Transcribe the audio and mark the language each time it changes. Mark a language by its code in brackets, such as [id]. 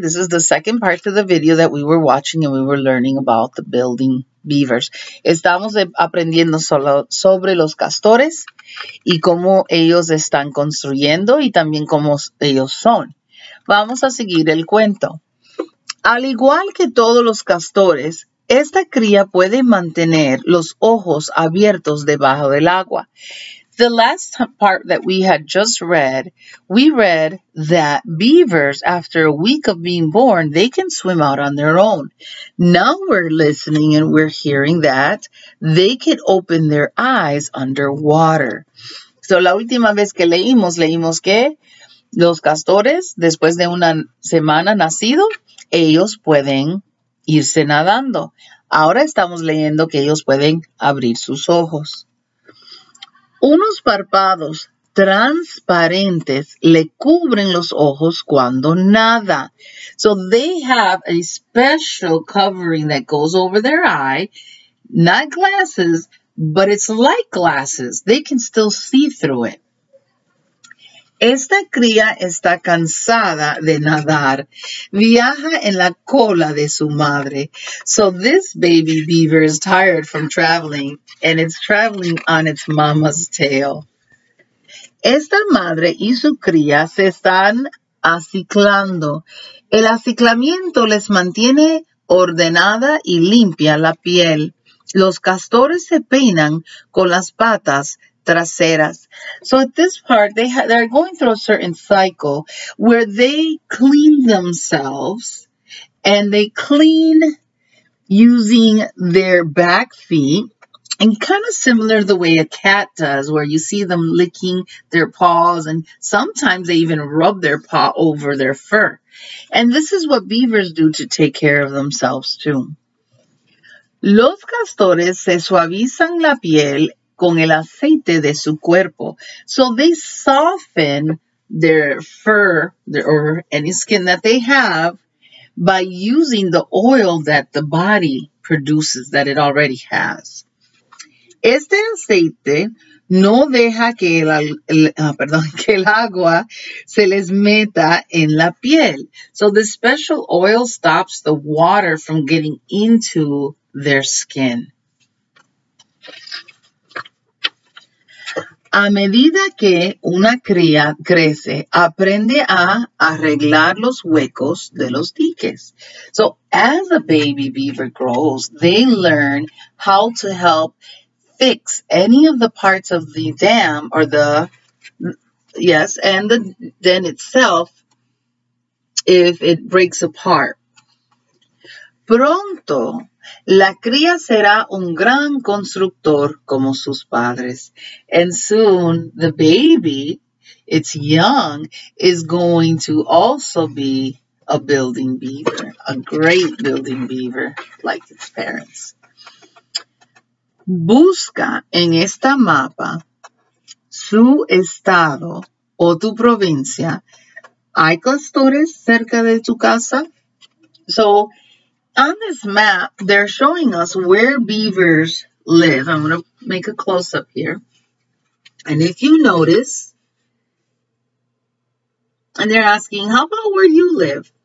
[en] This is the second part of the video that we were watching and we were learning about the building beavers. [es] Estamos aprendiendo solo sobre los castores y cómo ellos están construyendo y también cómo ellos son. Vamos a seguir el cuento. Al igual que todos los castores, esta cría puede mantener los ojos abiertos debajo del agua. [en] The last part that we had just read, we read that beavers, after a week of being born, they can swim out on their own. Now we're listening and we're hearing that they can open their eyes underwater. [es] So la última vez que leímos, leímos que los castores, después de una semana nacido, ellos pueden irse nadando. Ahora estamos leyendo que ellos pueden abrir sus ojos. Unos párpados transparentes le cubren los ojos cuando nada. [en] So they have a special covering that goes over their eye. Not glasses, but it's like glasses. They can still see through it. [es] Esta cría está cansada de nadar. Viaja en la cola de su madre. [en] So this baby beaver is tired from traveling, and it's traveling on its mama's tail. [es] Esta madre y su cría se están aciclando. El aciclamiento les mantiene ordenada y limpia la piel. Los castores se peinan con las patas traseras. [en] So at this part, they're going through a certain cycle where they clean themselves and they clean using their back feet, and kind of similar the way a cat does, where you see them licking their paws and sometimes they even rub their paw over their fur. And this is what beavers do to take care of themselves too. [es] Los castores se suavizan la piel con el aceite de su cuerpo. [en] So they soften their fur or any skin that they have by using the oil that the body produces, that it already has. [es] Este aceite no deja que el agua se les meta en la piel. [en] So the special oil stops the water from getting into their skin. [es] A medida que una cría crece, aprende a arreglar los huecos de los diques. [en] So, as a baby beaver grows, they learn how to help fix any of the parts of the dam or the, yes, and the den itself if it breaks apart. [es] Pronto, la cría será un gran constructor como sus padres. [en] And soon, the baby, it's young, is going to also be a building beaver, a great building beaver, like its parents. [es] Busca en esta mapa su estado o tu provincia. ¿Hay castores cerca de tu casa? [en] So, on this map, they're showing us where beavers live. I'm going to make a close-up here. And if you notice, and they're asking, how about where you live?